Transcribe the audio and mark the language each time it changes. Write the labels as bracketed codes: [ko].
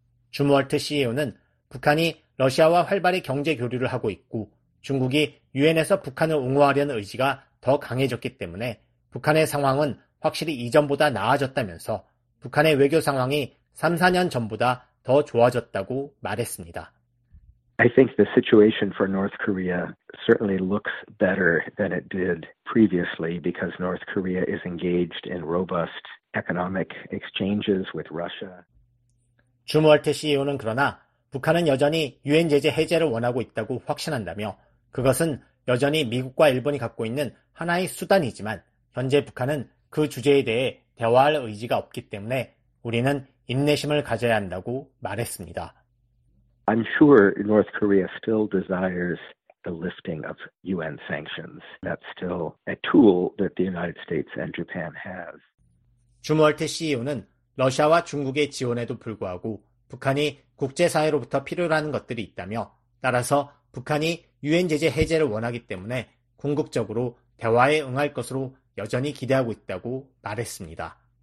[ko] 줌월트 CEO는 북한이 러시아와 활발히 경제 교류를 하고 있고 중국이 유엔에서 북한을 옹호하려는 의지가 더 강해졌기 때문에 북한의 상황은 확실히 이전보다 나아졌다면서 북한의 외교 상황이 3, 4년 전보다 더 좋아졌다고 말했습니다. [en] I think the situation for North Korea certainly looks better than it did previously because North Korea is engaged in robust economic exchanges with Russia. [ko] 줌월트 CEO는 그러나 북한은 여전히 유엔 제재 해제를 원하고 있다고 확신한다며 그것은 여전히 미국과 일본이 갖고 있는 하나의 수단이지만 현재 북한은 그 주제에 대해 대화할 의지가 없기 때문에 우리는 인내심을 가져야 한다고 말했습니다. [en] I'm sure North Korea still desires the lifting of UN sanctions. That's still a tool that the United States and Japan has. [ko] 줌월트 CEO는 러시아와 중국의 지원에도 불구하고 북한이 국제사회로부터 필요로 하는 것들이 있다며 따라서 북한이 유엔 제재 해제를 원하기 때문에 궁극적으로 대화에 응할 것으로 여전히 기대하고 있다고 말했습니다.